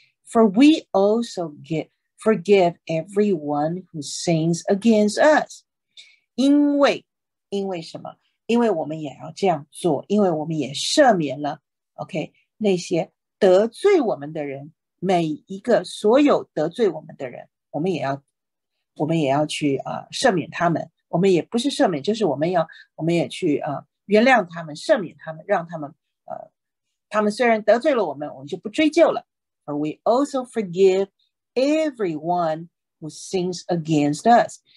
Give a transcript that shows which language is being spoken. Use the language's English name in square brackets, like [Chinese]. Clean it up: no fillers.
[English] For we also forgive everyone who sins against us。 [Chinese] 因为什么？因为我们也要这样做，因为我们也赦免了 OK 那些得罪我们的人，每一个所有得罪我们的人，我们也要去、赦免他们，我们也不是赦免，就是我们也去、原谅他们，赦免他们，让他们、他们虽然得罪了我们就不追究了。 [English] For we also forgive everyone who sins against us.